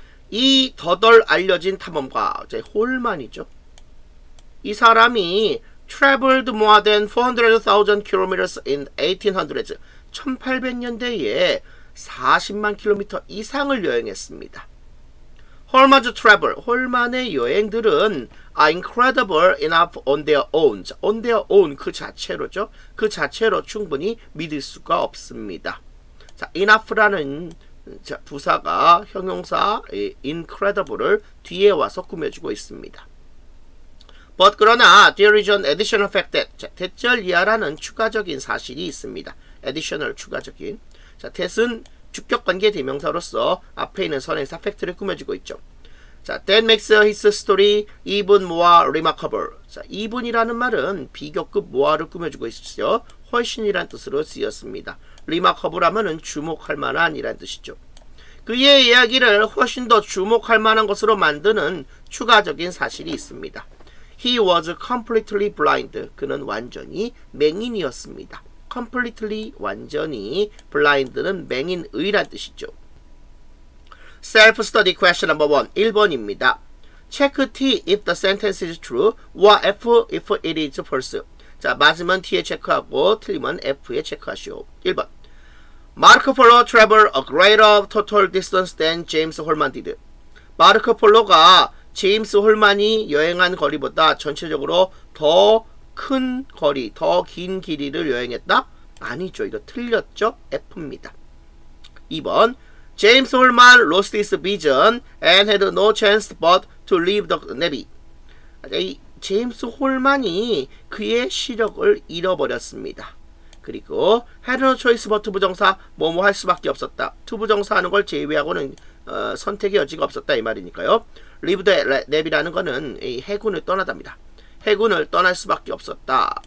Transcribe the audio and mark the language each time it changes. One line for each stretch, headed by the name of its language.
Korean: 이 더덜 알려진 탐험가, 이제 홀만이죠. 이 사람이
English: traveled more than 400,000 km in 1800s.
Korean: 1800년대에 40만 km 이상을 여행했습니다.
English: Holman's travel.
Korean: 홀만의 여행들은
English: are incredible enough on their own. on their own.
Korean: 그 자체로죠. 그 자체로 충분히 믿을 수가 없습니다. 자, enough라는 부사가 형용사 incredible을 뒤에 와서 꾸며주고 있습니다.
English: But
Korean: 그러나
English: there is an additional fact that.
Korean: 자, 대절 이하라는 추가적인 사실이 있습니다. additional 추가적인. 자, that은 주격관계 대명사로서 앞에 있는 선행사 팩트를 꾸며주고 있죠.
English: 자, that makes his story even more remarkable.
Korean: 자, even이라는 말은 비교급 more를 꾸며주고 있죠. 훨씬이란 뜻으로 쓰였습니다. remarkable 하면은 주목할 만한 이란 뜻이죠. 그의 이야기를 훨씬 더 주목할 만한 것으로 만드는 추가적인 사실이 있습니다.
English: He was completely blind.
Korean: 그는 완전히 맹인이었습니다. completely 완전히 blind는 맹인의란 뜻이죠.
English: self study question number 1
Korean: 1번입니다.
English: check t if the sentence is true or f if it is false.
Korean: 자, 맞으면 t에 체크하고 틀리면 f에 체크하시오.
English: 1번. Marco Polo traveled a greater total distance than James Holman did.
Korean: 마르코 폴로가 제임스 홀만이 여행한 거리보다 전체적으로 더 큰 거리, 더 긴 길이를 여행했다? 아니죠. 이거 틀렸죠? F입니다. 2번.
English: James Holman lost his vision and had no chance but to leave the Navy.
Korean: 제임스 홀만이 그의 시력을 잃어버렸습니다. 그리고
English: had no choice but
Korean: 부정사, 뭐뭐 할 수밖에 없었다. 부정사 하는 걸 제외하고는 선택의 여지가 없었다. 이 말이니까요.
English: leave the Navy
Korean: 라는 거는 이 해군을 떠나답니다. 해군을 떠날 수밖에 없었다.